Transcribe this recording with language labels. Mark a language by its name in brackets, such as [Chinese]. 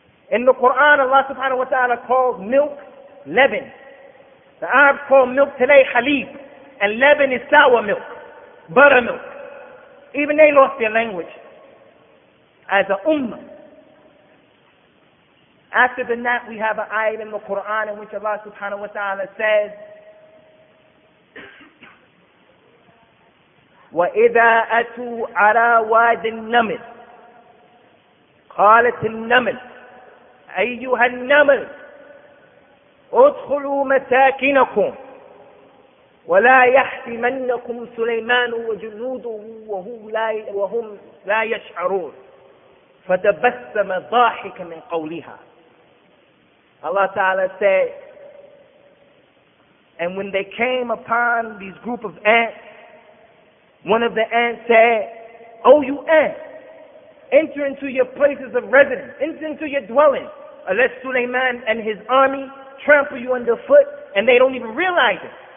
[English] In the Quran, Allah subhanahu wa ta'ala calls milk leaven. The Arabs call milk today halib. And leaven is sour milk, buttermilk. Even they lost their language as an ummah. After the gnat, we have an ayah in the Quran in which Allah subhanahu wa ta'ala says, [Arabic] وَإِذَا أَتُوا عَلَى وَادِ النَّمِلِ قَالَتِ النَّمِلِ أَيُّهَا النَّمِلِ أُدْخُلُوا مَسَاكِنَكُمْ وَلَا يَحْتِمَنَّكُمْ سُلَيْمَانُ وَجُنُودُهُ وَهُمْ لَا يَشْعَرُونَ فَتَبَسَّمَ ضَاحِكَ مِنْ قَوْلِهَا. [English] Allah Ta'ala said, and when they came upon these group of ants, one of the ants said, O you ants, enter into your places of residence, enter into your dwelling, unless Sulaiman and his army trample you underfoot, and they don't even realize it.